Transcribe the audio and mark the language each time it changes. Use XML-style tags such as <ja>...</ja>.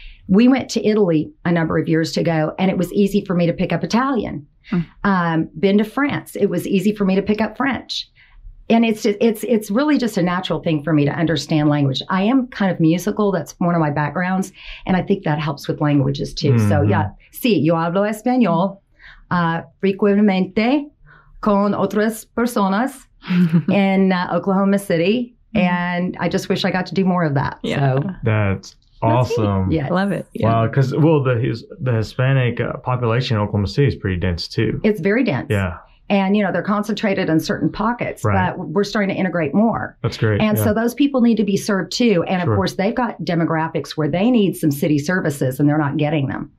<en>We went to Italy a number of years ago, and it was easy for me to pick up Italian. Been to France. It was easy for me to pick up French. And it's really just a natural thing for me to understand language. I am kind of musical. That's one of my backgrounds. And I think that helps with languages too. Mm-hmm.</en> <es>So yeah, sí, yo hablo español frecuentemente con otras personas in Oklahoma City. Mm-hmm.</es> <en>And I just wish I got to do more of that. Yeah. So that's awesome. Yeah, I love it. Yeah. Wow, because, well, the Hispanic population in Oklahoma City is pretty dense, too. It's very dense. Yeah. And, you know, they're concentrated in certain pockets, right. But we're starting to integrate more. That's great. And so those people need to be served, too. And, of course, they've got demographics where they need some city services and they're not getting them.</en>